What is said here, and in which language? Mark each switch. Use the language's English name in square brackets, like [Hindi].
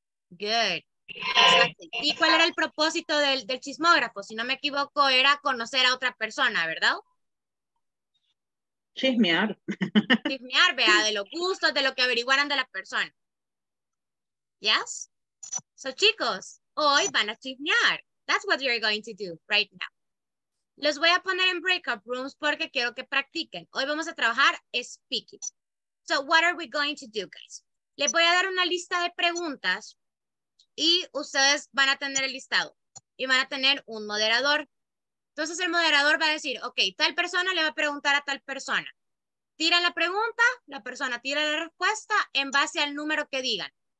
[English] Good. Exactly. [Spanish] ¿Y cuál era el propósito del chismógrafo? Si no me equivoco, era conocer a otra persona, ¿verdad? Chismear, vea, de los gustos, de lo que averiguaran de la persona. [English] Yes? [Spanish] So, chicos, hoy van a chismear. [English] That's what you're going to do right now. [Spanish] Los voy a poner en breakout rooms porque quiero que practiquen. Hoy vamos a trabajar speaking. [English] So, what are we going to do, guys? [Spanish] Les voy a dar una lista de preguntas y ustedes van a tener el listado y van a tener un moderador. Entonces el moderador va a decir, ok, tal persona le va a preguntar a tal persona. Tiran la pregunta, la persona tira la respuesta en base al número que digan.